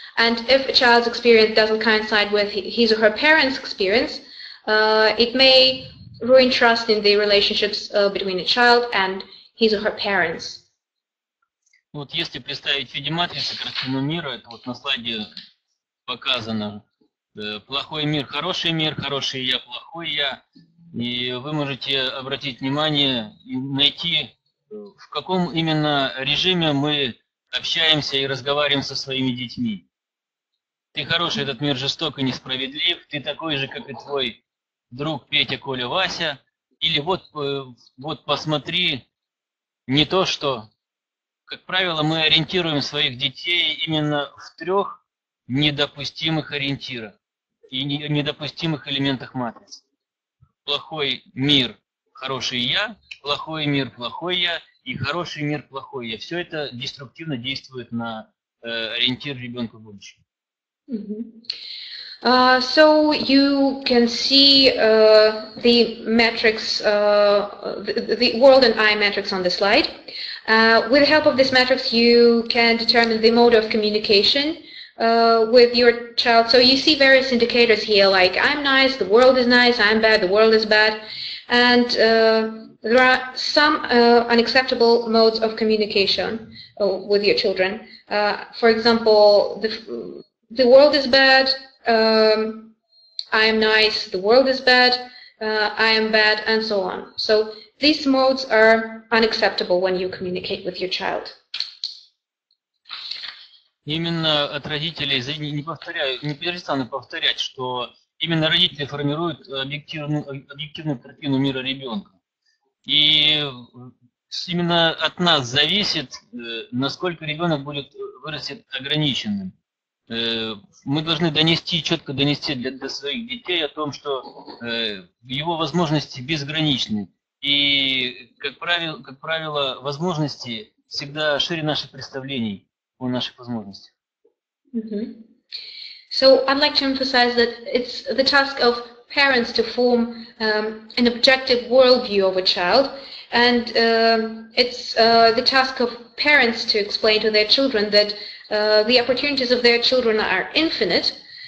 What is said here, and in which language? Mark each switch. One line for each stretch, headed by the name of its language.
English: And if a child's experience doesn't coincide with his or her parents' experience, it may ruin trust in the relationships between a child and his or her parents.
Russian: Вот если представить в виде матрицы картину мира, это вот на слайде показано. Плохой мир, хороший мир, хороший я, плохой я. И вы можете обратить внимание и найти, в каком именно режиме мы общаемся и разговариваем со своими детьми. Ты хороший, этот мир жесток и несправедлив, ты такой же, как и твой друг Петя, Коля, Вася, или вот посмотри, не то что. Как правило, мы ориентируем своих детей именно в трех недопустимых ориентирах и недопустимых элементах матрицы. Плохой мир, хороший я, плохой мир, плохой я и хороший мир, плохой я. Все это деструктивно действует на ориентир ребенка в будущем.
English: So you can see the matrix, the world and I matrix on the slide. With the help of this matrix, you can determine the mode of communication with your child. So you see various indicators here, like I'm nice, the world is nice, I'm bad, the world is bad. And there are some unacceptable modes of communication with your children. For example, the world is bad, I am nice, the world is bad, I am bad, and so on. So these modes are unacceptable when you communicate with your child.
Russian: Именно от родителей, не перестану повторять, что именно родители формируют объективную картину мира ребенка. И именно от нас зависит, насколько ребенок вырастет ограниченным. Мы должны четко донести для своих детей о том, что его возможности безграничны. И, как правило, возможности всегда шире наших представлений о наших возможностях. Mm-hmm.
English: So I'd like to emphasize that it's the task of parents to form an objective worldview of a child, and it's the task of parents to explain to their children that the opportunities of their children are infinite.